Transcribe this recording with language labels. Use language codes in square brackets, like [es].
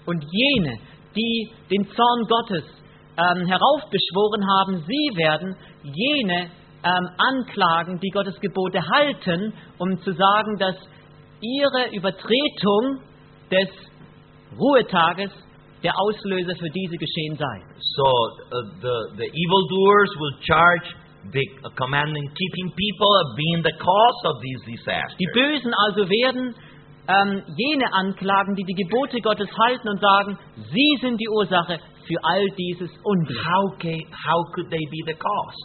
[de] Und jene, die den Zorn Gottes heraufbeschworen haben, sie werden jene anklagen, die Gottes Gebote halten, um zu sagen, dass ihre Übertretung des Ruhetages der Auslöser für diese Geschehen sei. [en] So the evildoers will charge the commanding keeping people of being the cause of these disasters. [de] Die Bösen also werden jene anklagen, die die Gebote Gottes halten und sagen, sie sind die Ursache für all dieses Unglück. [en] How could they be the cause?